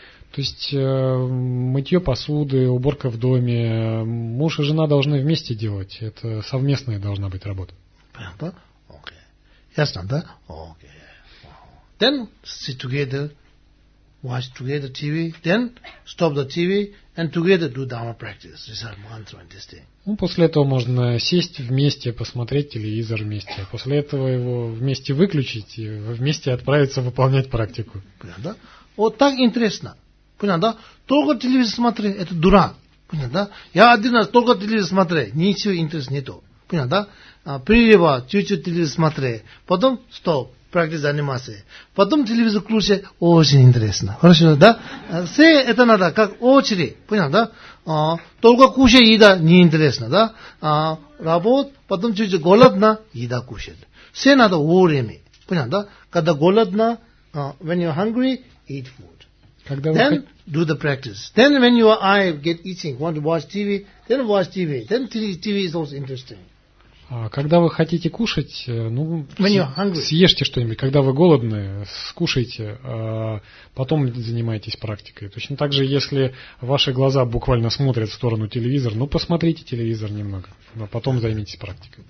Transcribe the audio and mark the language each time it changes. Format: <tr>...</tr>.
<ru>То есть мытье посуды, уборка в доме, муж и жена должны вместе делать. Это совместная должна быть работа. Понятно? Окей. Ясно, да? Окей.</ru> <en>Then sit together, watch together TV, then stop the TV and together do dharma practice, recite mantra and this thing.</en> <ru>Ну, после этого можно сесть вместе, посмотреть телевизор вместе, после этого его вместе выключить и вместе отправиться выполнять практику. Понятно, да? Вот так интересно. Понятно, да? Только телевизор смотри, это дурак. Понятно, да? Я один раз только телевизор смотри, ничего интереса нету. Понятно, да? Прилива, чуть-чуть телевизор смотри, потом стоп, практика занимайся. Потом телевизор включи, очень интересно. Хорошо, да? Все это надо, как очередь. Понятно, да? Только кушать еда, неинтересно, да? Работ, потом чуть-чуть голодно, еда кушать. Все надо вовремя. Понятно, да? Когда голодно,</ru> <en>when you're hungry, eat food.</en> <ru>Когда</ru> <en>then do the practice. Then when your eye get itching, want to watch TV, then watch TV. Then TV is also interesting.</en> <ru>Когда вы хотите кушать, ну, съешьте что-нибудь. Когда вы голодны, скушайте, потом занимайтесь практикой. Точно так же, если ваши глаза буквально смотрят в сторону телевизора, ну, посмотрите телевизор немного, а потом займитесь практикой.</ru>